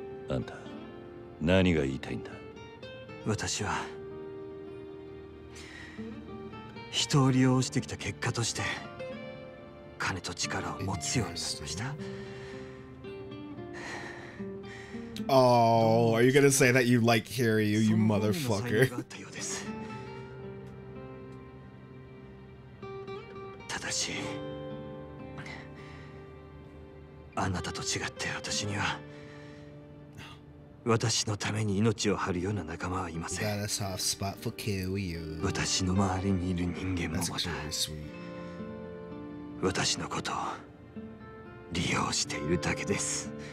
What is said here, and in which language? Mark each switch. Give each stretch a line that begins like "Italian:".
Japanese: あんた、何が言いたいんだ？私は人を利用してきた結果として金と力を持つようになりました。
English: Oh, are you gonna say that you like Hiryu, you motherfucker?
Japanese: ただし、あなたと違って私には私のために命を張るような仲間はいません。
English: You got a soft spot for Kiryu.
Japanese: 私の周りにいる人間もまた、私のことを利用しているだけです。